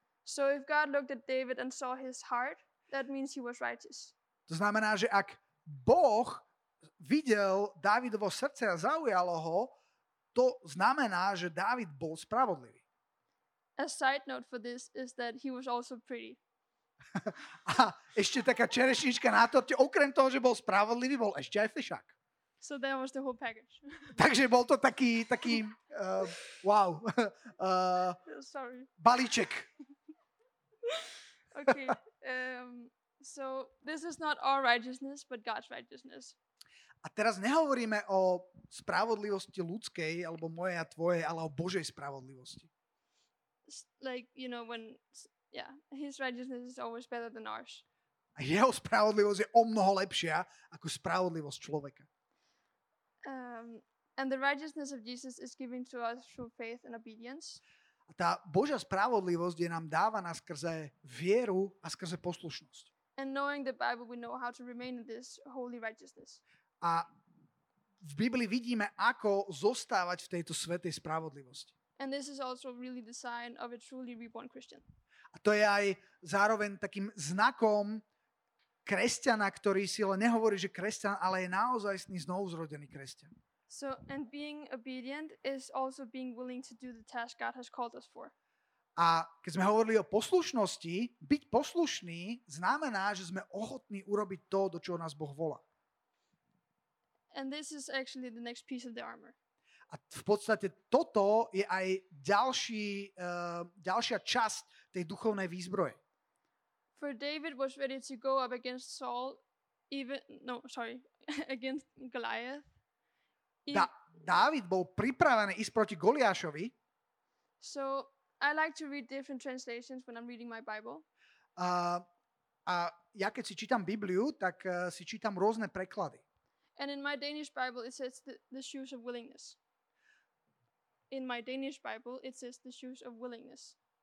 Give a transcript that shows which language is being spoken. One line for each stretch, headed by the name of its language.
English: So if God looked at David and saw his heart, that means he was righteous.
Slovak: To znamená, že ak Boh videl Dávidovo srdce a zaujalo ho, to znamená, že Dávid bol spravodlivý.
English: A side note for this is that he was also pretty.
Slovak: A ešte taká čerešnička na torte, okrem toho, že bol spravodlivý, bol ešte aj fešák.
English: So that was the whole package.
Slovak: Takže bol to taký, taký wow.
English: Sorry.
Slovak: Balíček.
English: Okay. So this is not our righteousness, but God's righteousness.
Slovak: A teraz nehovoríme o spravodlivosti ľudskej alebo mojej a tvojej, ale o Božej spravodlivosti.
English: Like, you know, when his righteousness is always better than ours.
Slovak: A jeho spravodlivosť je o mnoho lepšia ako spravodlivosť človeka.
English: And the righteousness of Jesus is given to us through faith and obedience.
Slovak: A tá Božia spravodlivosť je nám dávaná skrze vieru a skrze poslušnosť.
English: And knowing the Bible, we know how to remain in this holy righteousness.
Slovak: A v Biblii vidíme, ako zostávať v tejto svätej spravodlivosti.
English: And this is also really the sign of a truly reborn Christian.
Slovak: A to je aj zároveň takým znakom kresťana, ktorý si len nehovorí, že kresťan, ale je naozajstný znovuzrodený kresťan.
English: So and being obedient is also being willing to do the task God has called us for.
Slovak: A keď sme hovorili o poslušnosti, byť poslušný znamená, že sme ochotní urobiť to, do čoho nás Boh volá.
English: And this is actually the next piece of the armor.
Slovak: A v podstate toto je aj ďalší, ďalšia časť tej duchovnej výzbroje.
English: For David was ready to go up against Saul, against Goliath.
Slovak: David bol pripravený ísť proti Goliášovi.
English: So I like to read different translations when I'm reading my Bible.
Slovak: A ja keď si čítam Bibliu, tak si čítam rôzne preklady.
English: And in my Danish Bible it says the shoes of willingness. In my Danish Bible it says the shoes of willingness.